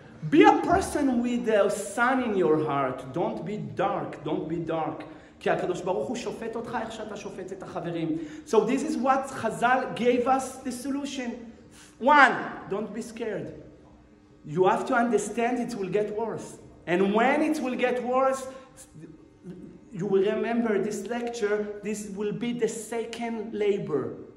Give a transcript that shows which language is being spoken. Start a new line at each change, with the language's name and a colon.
English: Be a person with a sun in your heart. Don't be dark.
Hebrew: כי הקדוש ברוך הוא שופט אותך איך שאתה שופט את החברים.
English: So this is what Chazal gave us the solution. One, don't be scared. You have to understand it will get worse. And when it will get worse, you will remember this lecture, this will be the second labor.